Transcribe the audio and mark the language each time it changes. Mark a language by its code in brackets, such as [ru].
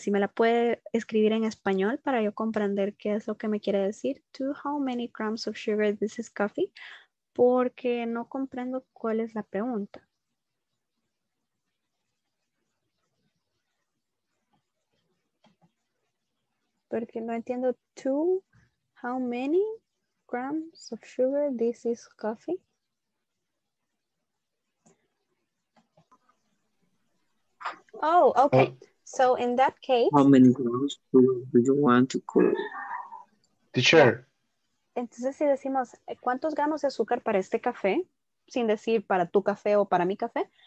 [es] Si me la puede escribir en español para yo comprender qué es lo que me quiere decir. [en] To how many grams of sugar this is coffee? [es] Porque no comprendo cuál es la pregunta. Porque no entiendo, [en] to how many grams of sugar this is coffee? Oh, okay. So in that case, how many grams do you want to cook? Teacher. [es] Entonces si decimos, ¿cuántos gramos de azúcar para este café? Sin decir para tu café o para mi café.